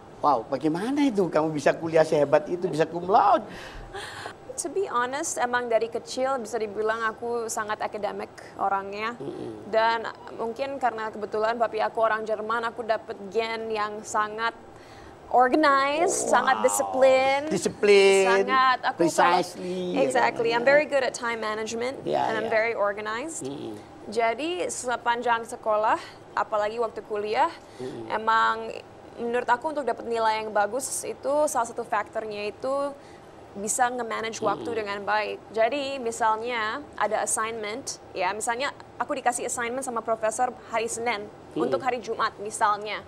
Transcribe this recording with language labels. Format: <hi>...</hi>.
<id>Wow, bagaimana itu kamu bisa kuliah sehebat itu, bisa cum laude?</id> <en>To be honest,</en> <id>emang dari kecil bisa dibilang aku sangat akademik orangnya. Mm-hmm. Dan mungkin karena kebetulan papi aku orang Jerman, aku dapat gen yang sangat organized, wow. Sangat disiplin, sangat aku</id> <en>precisely. Exactly. I'm very good at time management, yeah, and I'm very organized.</en> <id>Mm-hmm. Jadi sepanjang sekolah, apalagi waktu kuliah, mm-hmm. emang menurut aku untuk dapat nilai yang bagus itu salah satu faktornya itu bisa nge-manage waktu dengan baik. Jadi misalnya ada assignment, ya misalnya aku dikasih assignment sama profesor hari Senin untuk hari Jumat misalnya.</id>